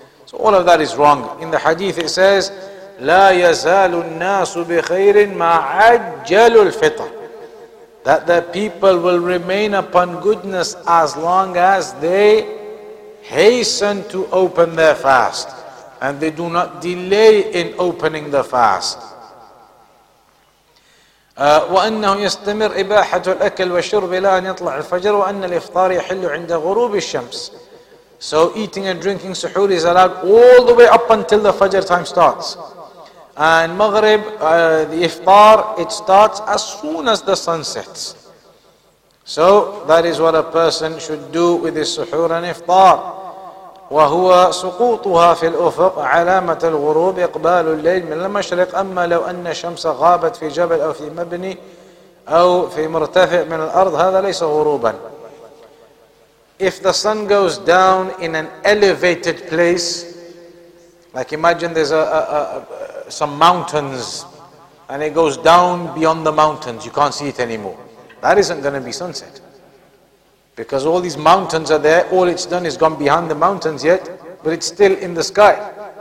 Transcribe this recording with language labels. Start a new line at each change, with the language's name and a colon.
English: So all of that is wrong. In the hadith it says,
Arabic: لَا يَزَالُ النَّاسُ بِخَيْرٍ مَا عَجَّلُ الْفِطْرِ,
English: that the people will remain upon goodness as long as they hasten to open their fast, and they do not delay in opening the fast.
Arabic: وأنه يستمر إباحة الأكل والشرب إلى أن يطلع الفجر وأن الإفطار يحل عند غروب الشمس.
English: So eating and drinking suhoor is allowed all the way up until the Fajr time starts. And Maghrib, the Iftar, it starts as soon as the sun sets. So that is what a person should do with his suhoor and Iftar.
Arabic: وهو سقوطها في الأفق علامة الغروب إقبال الليل من المشرق أما لو أن الشمس غابت في جبل أو في مبني أو في مرتفع من الأرض هذا ليس غروبا.
English: If the sun goes down in an elevated place, like imagine there's some mountains and it goes down beyond the mountains, you can't see it anymore. That isn't going to be sunset. Because all these mountains are there, all it's done is gone behind the mountains yet, but it's still in the sky.